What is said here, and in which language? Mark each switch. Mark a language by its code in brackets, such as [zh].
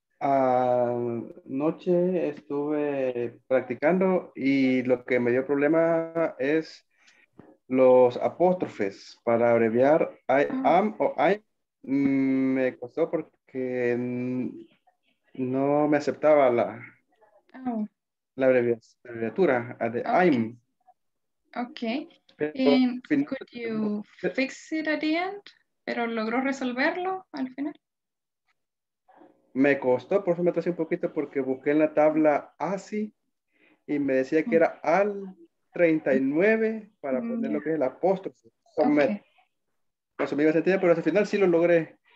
[es] Anoche estuve practicando y lo que me dio problema es los apóstrofes para abreviar I am o I. Me costó porque no me aceptaba la abreviatura de okay. [en] I'm. Okay. And could you fix it at the end? [es] ¿Pero logró resolverlo al final? Me costó, por eso me atrasé un poquito porque busqué en la tabla ASI y me decía que era al 39 para poner lo que es el apóstrofe. Okay. Por eso me iba a sentir, pero al final sí lo logré.